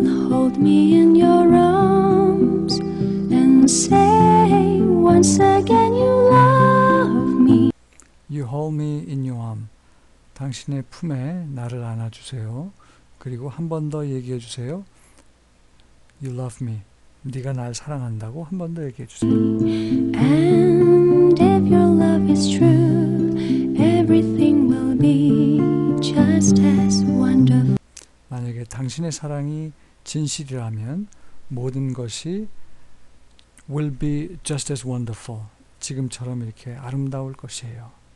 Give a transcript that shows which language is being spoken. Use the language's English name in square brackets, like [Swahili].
[English] Hold me in your arms and say once again you love me. You hold me in your arm. [Korean] 당신의 품에 나를 안아주세요. 그리고 한번더 얘기해 주세요. [English] You love me. [Korean] 네가 날 사랑한다고 한번더 얘기해 주세요. [English] And if your love is true, everything will be just as wonderful. [Korean] 만약에 당신의 사랑이 진실이라면 모든 것이 [English] will be just as wonderful. [Korean] 지금처럼 이렇게 아름다울 것이에요.